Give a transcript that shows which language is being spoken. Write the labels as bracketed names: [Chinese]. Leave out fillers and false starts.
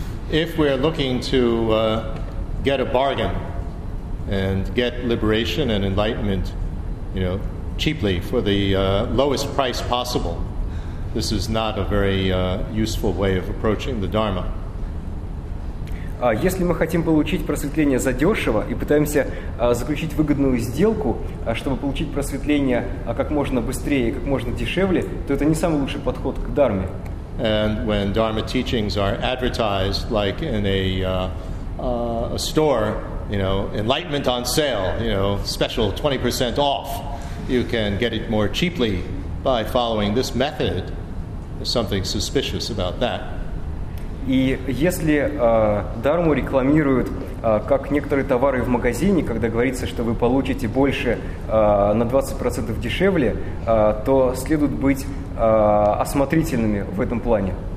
[English] If we're looking to get a bargain and get liberation and enlightenment, you know, cheaply for the lowest price possible, this is not a very useful way of approaching the Dharma. [Russian] Если мы хотим получить просветление задешево и пытаемся заключить выгодную сделку, чтобы получить просветление как можно быстрее и как можно дешевле, то это не самый лучший подход к дарме. [English] And when dharma teachings are advertised like in a store, you know, enlightenment on sale, you know, special 20% off. You can get it more cheaply by following this method. There's something suspicious about that. [Russian] И если дарму рекламируют как некоторые товары в магазине, когда говорится, что вы получите больше на 20% дешевле, то следует быть осмотрительными в этом плане.